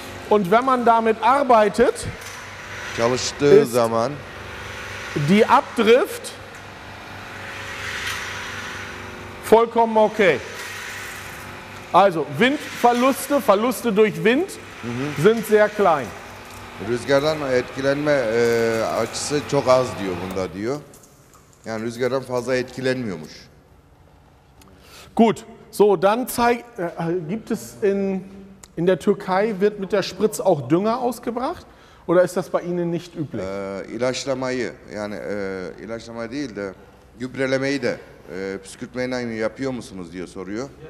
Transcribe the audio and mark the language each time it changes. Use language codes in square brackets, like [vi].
[de] Und wenn man damit arbeitet, [tr] çalıştığı zaman, [de] die Abdrift vollkommen okay. Also Windverluste, Verluste durch Wind sind sehr klein. [tr] Rüzgardan etkilenme açısı çok az diyor bunda diyor. Yani rüzgardan fazla etkilenmiyormuş. [de] Gut, so dann zeig, gibt es in der Türkei, wird mit der Spritz auch Dünger ausgebracht? Oder ist das bei Ihnen nicht üblich? [tr] İlaçlamayı, yani ilaçlamayı değil de gübrelemeyi de püskürtmeyle yapıyor musunuz diyor soruyor.